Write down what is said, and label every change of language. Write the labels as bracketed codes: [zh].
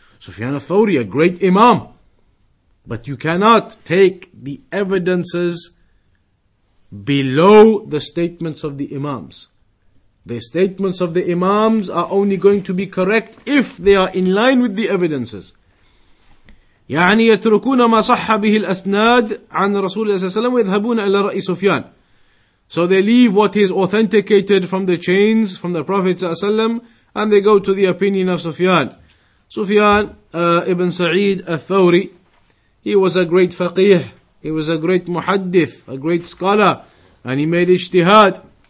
[en] Sufyan al-Thawri, a great Imam. But you cannot take the evidences below the statements of the Imams. The statements of the Imams are only going to be correct if they are in line with the evidences. [ar] يعني يتركون ما صح به الأسناد عن رسول الله صلى الله عليه وسلم ويذهبون إلى رأي سفيان. [en] So they leave what is authenticated from the chains from the Prophet [ar] صلى الله عليه وسلم [en] and they go to the opinion of Sufyan. Sufyan ibn Sa'id al-Thawri, he was a great faqih, he was a great muhaddith, a great scholar, and he made ijtihad.